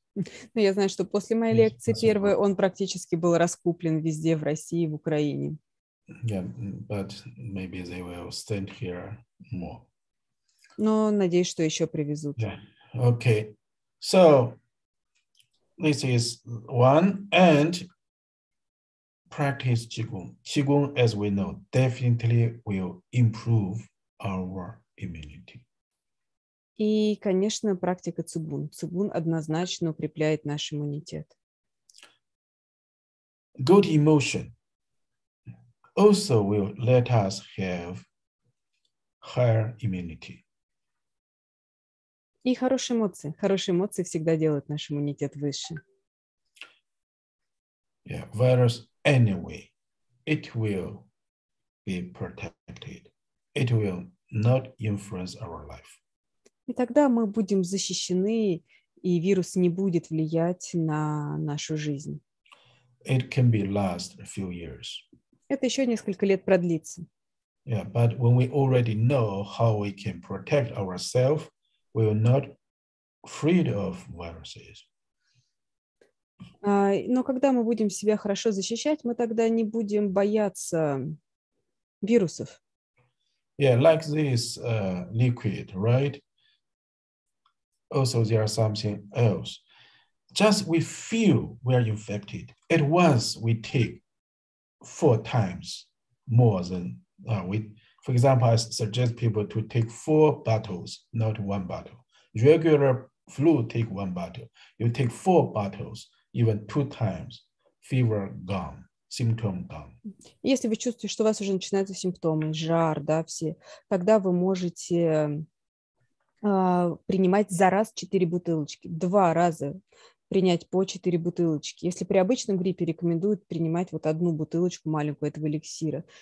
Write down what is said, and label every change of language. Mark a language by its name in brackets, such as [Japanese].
[Russian] Ну, я знаю, что после моей лекции первой он практически был раскуплен везде в России, в Украине. [English] Yeah, but maybe they will stand here more. [Russian] Но надеюсь, что еще привезут. [English] Yeah. Okay. So this is one and practice qigong. Qigong, as we know, definitely will improve our immunity. [Russian] И, конечно, практика цигун. Цигун однозначно укрепляет наш иммунитет. [English] Good emotion also will let us have higher immunity. [Russian] И хорошие эмоции. Хорошие эмоции всегда делают наш иммунитет выше. [English] Yeah, virus anyway, it will be protected. It will not influence our life. [Russian] И тогда мы будем защищены, и вирус не будет влиять на нашу жизнь. [English] It can be last a few years. [Russian] Это еще несколько лет продлится. [English] Yeah, but when we already know how we can protect ourselves, we are not freed of viruses. [Russian] Но когда мы будем себя хорошо защищать, мы тогда не будем бояться вирусов. [English] Yeah, like this liquid, right? Also, there are something else. Just we feel we are infected. At once, we take four times more than we. For example, I suggest people to take four bottles, not one bottle. Regular flu, take one bottle. You take four bottles, even two times, fever gone. [Russian] Симптом там. Если вы чувствуете, что у вас уже начинаются симптомы, жар, да, все, тогда вы можете принимать за раз 4 бутылочки. Два раза принять по 4 бутылочки. Если при обычном гриппе рекомендуют принимать вот одну бутылочку маленькую этого эликсира.